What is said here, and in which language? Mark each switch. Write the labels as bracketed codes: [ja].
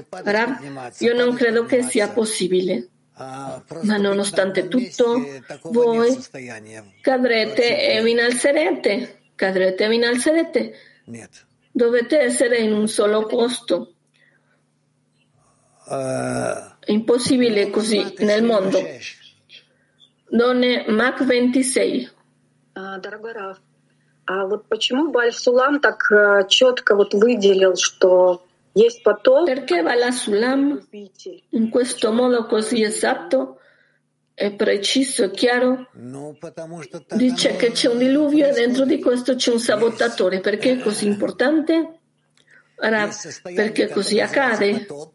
[it] Rav, io non credo che sia possibile. Ma nonostante tutto, voi cadrete e vi innalzerete. Cadrete e vi innalzerete. Dovete essere in un solo posto. Impossibile così nel mondo. Donne Mac 26. [ru] Дорогой Рав, а вот почему Бальсулам так четко вот выделил, что есть поток? [it] Perché Bal-Sulam in questo modo così esatto è preciso e chiaro? Dice che c'è un diluvio e dentro di questo c'è un sabotatore. Perché è così importante? Rav, perché così accade?